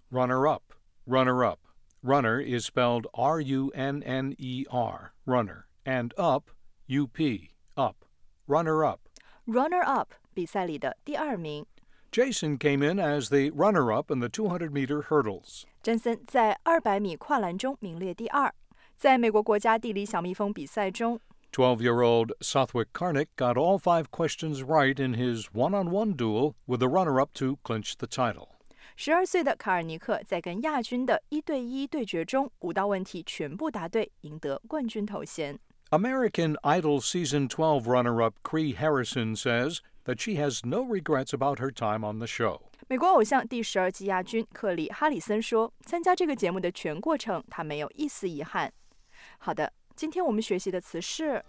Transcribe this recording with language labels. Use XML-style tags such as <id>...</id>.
<en>Runner up, runner up. Runner is spelled R-U-N-N-E-R, runner, and up, U-P, up, runner up.</en> <zh>Runner up, 比赛里的第二名。</zh> <en>Jason came in as the runner up in the 200 meter hurdles.</en> <zh>Jason 在200米跨栏中名列第二。在美国国家地理小蜜蜂比赛中</zh> <en>12-year-old Southwick Karnick got all five questions right in his one-on-one duel with the runner up to clinch the title.</en> <zh>12岁的卡尔尼克在跟亚军的一对一对决中五道问题全部答对，赢得冠军头衔。</zh> <en>American Idol Season 12 runner-up Cree Harrison says that she has no regrets about her time on the show.</en> <zh>美国偶像第十二季亚军克里·哈里森说，参加这个节目的全过程他没有一丝遗憾。好的，今天我们学习的词是</zh>